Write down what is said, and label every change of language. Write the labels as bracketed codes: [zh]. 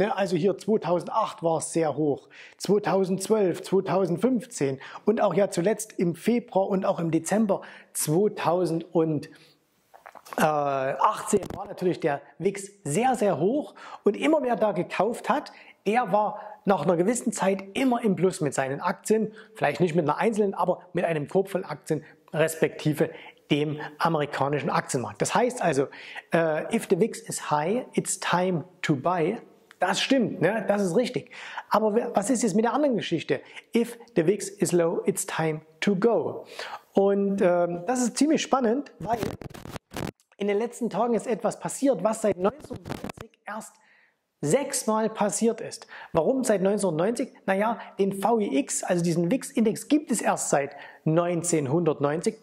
[de] Also hier 2008 war es sehr hoch, 2012, 2015 und auch ja zuletzt im Februar und auch im Dezember 2018 war natürlich der VIX sehr, sehr hoch und immer wer da gekauft hat, der war nach einer gewissen Zeit immer im Plus mit seinen Aktien, vielleicht nicht mit einer einzelnen, aber mit einem Korb voll Aktien respektive dem amerikanischen Aktienmarkt. Das heißt also, [en] if the VIX is high, it's time to buy. [de] Das stimmt, ne? Das ist richtig. Aber was ist jetzt mit der anderen Geschichte? [en] If the VIX is low, it's time to go. [de] Und das ist ziemlich spannend, weil in den letzten Tagen ist etwas passiert, was seit 1990 erst 6-mal passiert ist. Warum seit 1990? Naja, den VIX, also diesen VIX-Index, gibt es erst seit 1990.